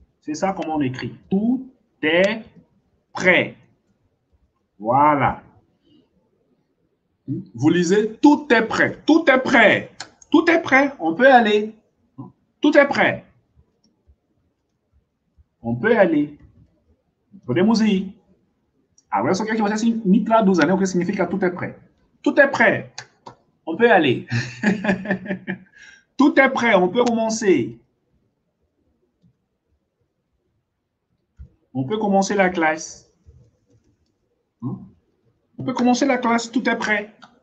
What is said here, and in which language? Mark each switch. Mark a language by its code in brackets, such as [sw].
[fr] C'est ça comment on écrit. Tout est prêt. Voilà. Vous lisez, tout est prêt, tout est prêt, tout est prêt, on peut aller, tout est prêt, on peut aller. [pt] Podemos ir. Agora só quero que vocês me traduzam, né, o que significa [fr] tout est prêt. Tout est prêt, on peut aller. Tout est prêt, on peut commencer. On peut commencer la classe. On peut commencer la classe, tout est prêt.